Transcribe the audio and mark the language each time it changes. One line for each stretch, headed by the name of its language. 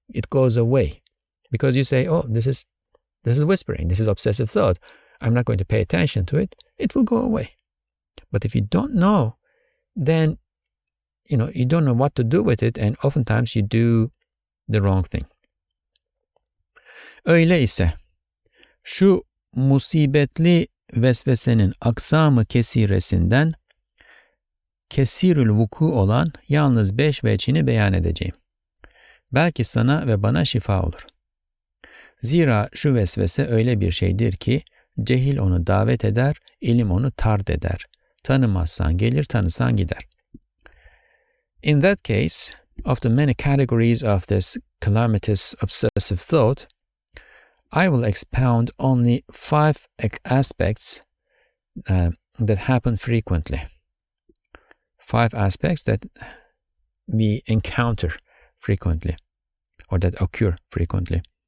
English: It goes away, because you say, oh, this is whispering, this is obsessive thought, I'm not going to pay attention to it, it will go away. But if you don't know, then you don't know what to do with it, and oftentimes you do the wrong thing.
Turkish: Öyleyse şu musibetli vesvesenin aksamı kesiresinden kesirül vuku olan yalnız 5 veçini beyan edeceğim. Belki sana ve bana şifa olur. Zira şu vesvese öyle bir şeydir ki cehil onu davet eder, ilim onu tard eder. Tanımazsan gelir, tanısan gider.
English: In that case, of the many categories of this calamitous obsessive thought, I will expound only 5 aspects that happen frequently. 5 aspects that we encounter frequently, or that occur frequently.